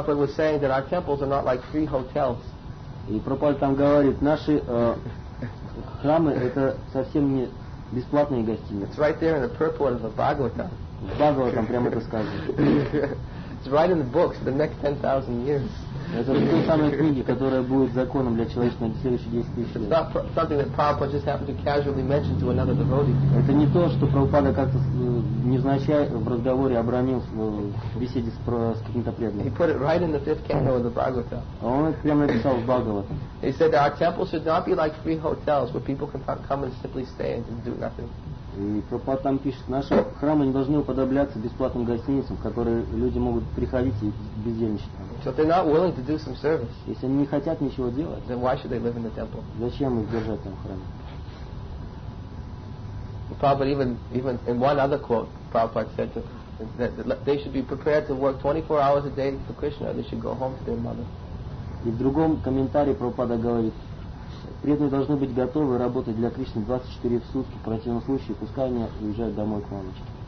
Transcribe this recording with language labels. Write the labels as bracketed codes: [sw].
[en] Prabhupada was saying that our temples are not like free hotels. [ru] И Прабхупада там говорит, наши храмы это совсем не бесплатные гостиницы. [en] It's right there in the purport of the Bhagavatam. [ru] В Бхагаватам прямо это сказано. [en] It's right in the books the next 10,000 years. [ru] Это та самая книга, которая будет законом для человечества на следующие 10 тысяч лет. [en] It's not something that Prabhupada just happened to casually mention to another devotee. [ru] Это не то, что Прабхупада как-то невзначай в разговоре обронил в беседе с каким-то преданным. [en] He put it right in the fifth canto of the Bhagavata. [ru] А он это прямо написал в Бхагавате. [en] He said our temples should not be like free hotels where people can come and simply stay and do nothing. [ru] И Прабхупада там пишет, наши храмы не должны уподобляться бесплатным гостиницам, в которые люди могут приходить и бездельничать. [en] So if they're not willing to do some service, [ru] если они не хотят ничего делать, [en] then why should they live in the temple? [ru] Зачем их держать там в храме? [en] Prabhupada even in one other quote, Prabhupada said that they should be prepared to work 24 hours a day for Krishna, they should go home to their mother. [ru] И в другом комментарии Прабхупада говорит, преданные должны быть готовы работать для Кришны 24 в сутки, в противном случае пускай они уезжают домой к мамочке.